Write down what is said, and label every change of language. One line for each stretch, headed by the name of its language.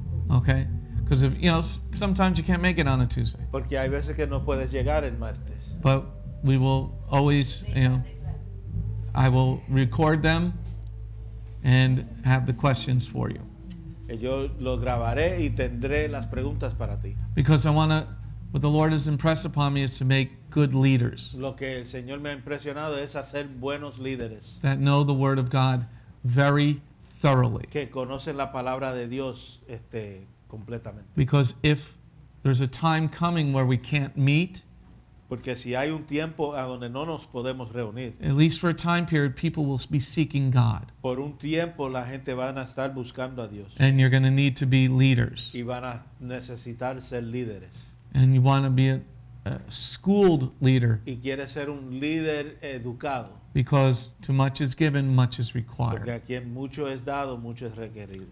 English: Okay, because sometimes you can't make it on a Tuesday.
Spanish: Porque hay veces que no puedes llegar el martes.
English: But we will always, I will record them and have the questions for you.
Spanish: Yo lo grabaré y tendré las preguntas para ti.
English: Because what the Lord has impressed upon me is to make good leaders.
Spanish: Lo que el Señor me ha impresionado es hacer buenos líderes.
English: That know the Word of God very thoroughly.
Spanish: Que conocen la palabra de Dios completamente.
English: Because if there's a time coming where we can't meet,
Spanish: porque si hay un tiempo a donde no nos podemos reunir,
English: at least for a time period, people will be seeking God.
Spanish: Por un tiempo, la gente van a estar buscando a Dios.
English: And you're going to need to be leaders.
Spanish: Y van a necesitar ser líderes.
English: And you want to be a schooled leader.
Spanish: Y quiere ser un líder educado.
English: Because to much is given, much is required.
Spanish: Porque a quien mucho es dado, mucho es requerido.